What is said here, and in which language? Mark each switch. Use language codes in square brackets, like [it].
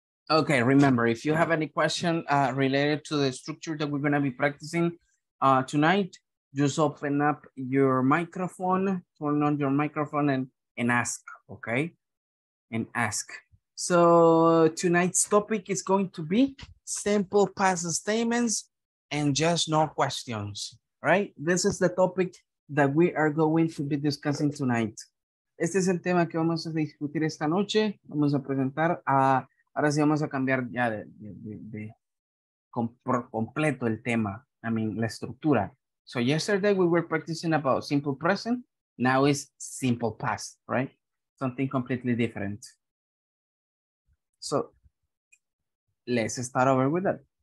[en] Okay, remember, if you have any question related to the structure that we're gonna be practicing tonight, just open up your microphone, turn on your microphone and ask, okay? And ask. So tonight's topic is going to be simple past statements and just no questions, right? This is the topic that we are going to be discussing tonight. [es] Este es el tema que vamos a discutir esta noche. Vamos a presentar. Ahora sí vamos a cambiar ya por completo el tema. [en] I mean, [es] la estructura. [en] So yesterday we were practicing about simple present. Now it's simple past, right? Something completely different. So, let's start over with that.